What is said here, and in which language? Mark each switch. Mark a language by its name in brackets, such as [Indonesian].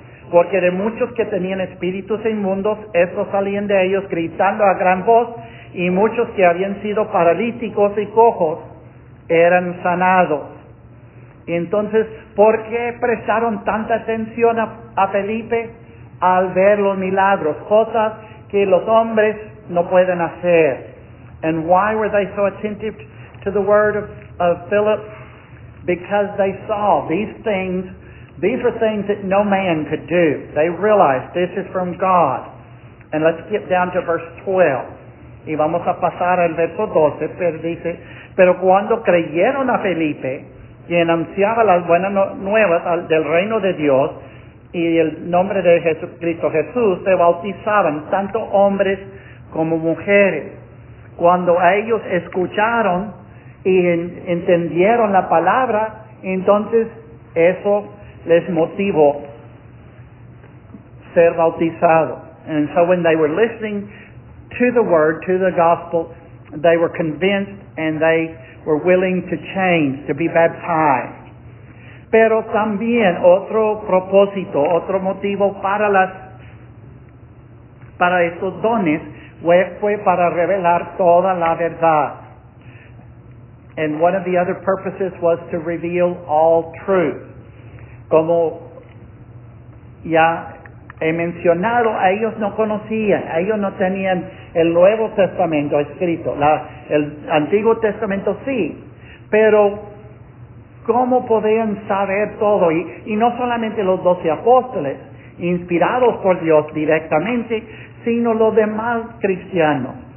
[Spanish] Porque de muchos que tenían espíritus inmundos, estos salían de ellos gritando a gran voz, y muchos que habían sido paralíticos y cojos eran sanados. Entonces, ¿por qué prestaron tanta atención a Felipe al ver los milagros? Cosas que los hombres no pueden hacer. [English] And why were they so attentive to the word of Philip? Because they saw these things. These were things that no man could do. They realized this is from God. And let's get down to verse 12. [Spanish] Y vamos a pasar al verso 12, pero dice, pero cuando creyeron a Felipe, quien anunciaba las buenas nuevas del reino de Dios y el nombre de Jesucristo Jesús, se bautizaban tanto hombres como mujeres. Cuando ellos escucharon y entendieron la palabra, entonces eso les motivó ser bautizados. [English] And so when they were listening to the word, to the gospel, they were convinced and they were willing to change, to be baptized. [Spanish] Pero también otro propósito, otro motivo para estos dones fue para revelar toda la verdad. [English] And one of the other purposes was to reveal all truth. [Spanish] Como ya he mencionado, ellos no conocían, ellos no tenían el Nuevo Testamento escrito, el Antiguo Testamento sí, pero cómo podían saber todo, y no solamente los 12 apóstoles, inspirados por Dios directamente, sino los demás cristianos.